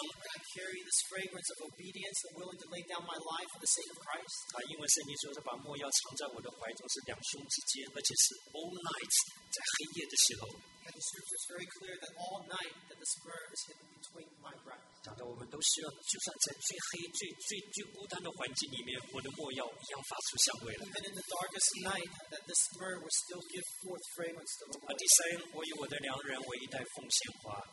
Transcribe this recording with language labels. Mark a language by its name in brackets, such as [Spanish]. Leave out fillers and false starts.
[English] I carry this fragrance of obedience and willing to lay down my life for the sake of Christ. [Chinese] 啊，因为圣经说是把墨药藏在我的怀中，是两胸之间，而且是 [English] all night， [Chinese] 在黑夜的时候。 [English] And the scripture is very clear that all night that the spirit is hidden between my breasts. [Chinese] 讲到我们都需要，就算在最黑、最孤单的环境里面，我的墨药一样发出香味来。 [English] Even in the darkest night, that the spirit will still give forth fragrance to the Lord. [Chinese] 啊，第三，我以我的良人为一袋奉献花。